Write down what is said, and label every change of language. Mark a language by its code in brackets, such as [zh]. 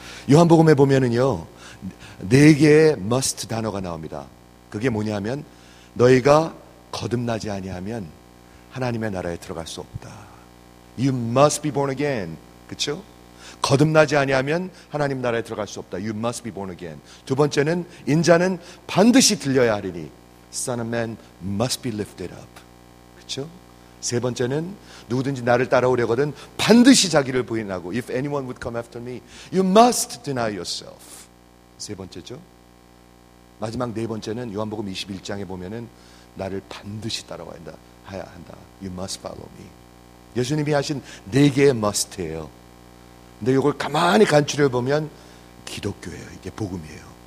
[ko] 요한복음에 보면은요 네 개의 must 단어가 나옵니다. 그게 뭐냐면 너희가 거듭나지 아니하면 하나님의 나라에 들어갈 수 없다. [en] You must be born again. [ko] 그렇죠? 거듭나지 아니하면 하나님 나라에 들어갈 수 없다. [en] You must be born again. [ko] 두 번째는 인자는 반드시 들려야 하리니 [en] Son of man must be lifted up. [ko] 그렇죠? 세 번째는 누구든지 나를 따라오려거든 반드시 자기를 부인하고 [en] If anyone would come after me, you must deny yourself. [ko] 세 번째죠. 마지막 네 번째는 요한복음 21장에 보면은 나를 반드시 따라와야 한다. 해야 한다. [en] You must follow me. [ko] 예수님이 하신 네 개의 must예요. 근데 이걸 가만히 간추려 보면 기독교예요. 이게 복음이에요.